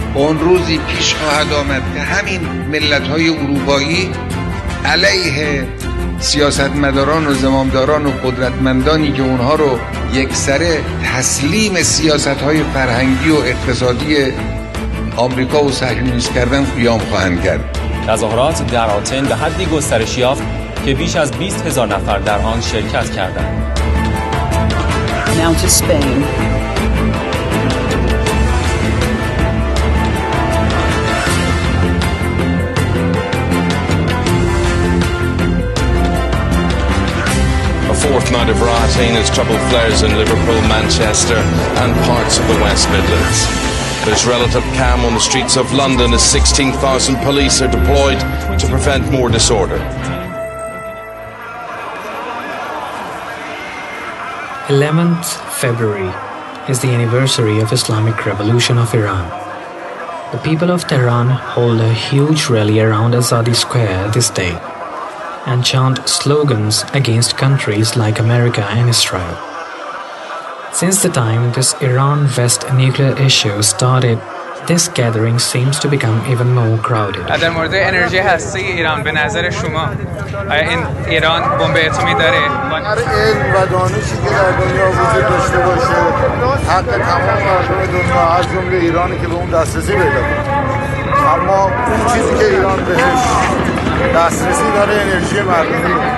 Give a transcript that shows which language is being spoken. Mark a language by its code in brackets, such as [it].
[fa] اون روزی پیش خواهد آمد که همین ملت‌های اروپایی علیه سیاستمداران و زمامداران و قدرتمندانی که اونها رو یکسره تسلیم سیاست‌های فرهنگی و اقتصادی آمریکا و صهیونیست کردن قیام خواهند کرد. تظاهرات در آتن به حدی گسترش یافت که بیش از 20,000 نفر در آن شرکت کردند. [en] now to Spain. A fourth night of rioting as trouble flares in Liverpool, Manchester, and parts of the West Midlands. There's relative calm on the streets of London as 16,000 police are deployed to prevent more disorder. 11th February is the anniversary of Islamic Revolution of Iran. The people of Tehran hold a huge rally around Azadi Square this day and chant slogans against countries like America and Israel. Since the time this Iran-West nuclear issue started, this gathering seems to become even more crowded. [fa] در مورد انرژی هسته‌ای ایران به نظر شما آیا این ایران بمب اتمی داره؟ علم و دانشی که در دنیا وجود داشته باشه حق تمام مردم دنیا از جمله ایرانی که به اون دسترسی پیدا کنه. اما اون چیزی که ایران بهش دسترسی داره انرژی مردمی.